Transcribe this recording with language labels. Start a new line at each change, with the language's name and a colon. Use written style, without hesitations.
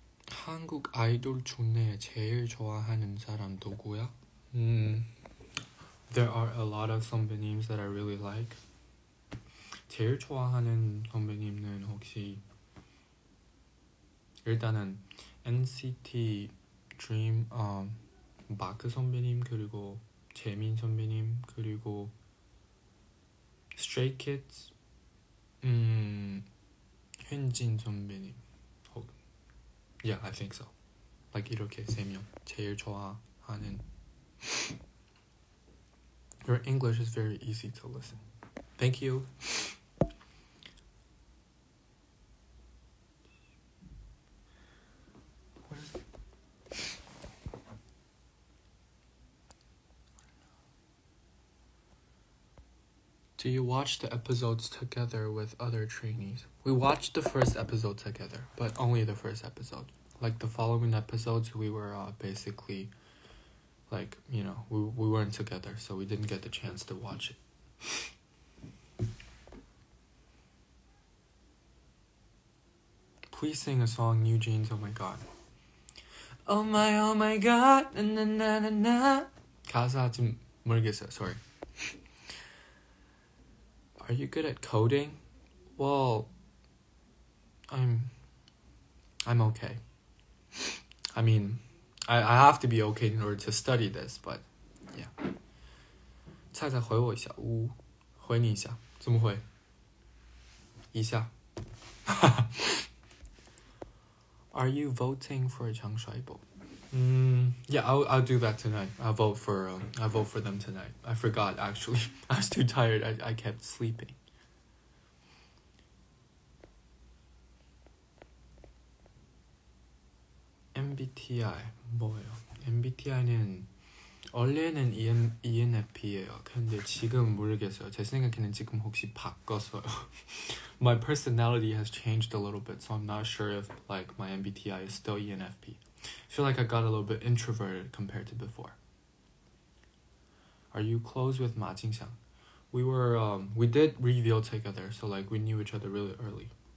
Korean: 한국 아이돌 중에 제일 좋아하는 사람 누구야?
English: There are a lot of 선배님s that I really like.
Korean: 제일 좋아하는 선배님은 혹시 일단은 NCT Dream 마크 선배님 그리고 재민 선배님 그리고 Stray Kids 현진 선배님.
English: Yeah, I think so.
Korean: Like 이렇게 세 명 제일 좋아하는.
English: Your English is very easy to listen. Thank you. Do you watch the episodes together with other trainees? We watched the first episode together, but only the first episode. Like the following episodes, we were basically, like, you know, we weren't together, so we didn't get the chance to watch it. Please sing a song, New Jeans, Oh My God. Oh my God, na na na na.
Korean: 가사 좀 모르겠어요, sorry.
English: Are you good at coding? Well, I'm okay. I mean, I have to be okay in order to study this, but yeah.
Chinese: 菜菜回我一下, 回你一下, 怎么回? 一下.
English: Are you voting for Chang Shuaibo? Yeah, I'll do that tonight. I vote for them tonight. I forgot actually. I was too tired. I kept sleeping.
Korean: MBTI 뭐예요? MBTI는 원래는 ENFP예요. 근데 지금 모르겠어요. 제 생각에는 지금 혹시 바꿨어요.
English: My personality has changed a little bit, so I'm not sure if like my MBTI is still ENFP. I feel like I got a little bit introverted compared to before. Are you close with Ma Jingxiang? We were, we did reveal together, so like we knew each other really early.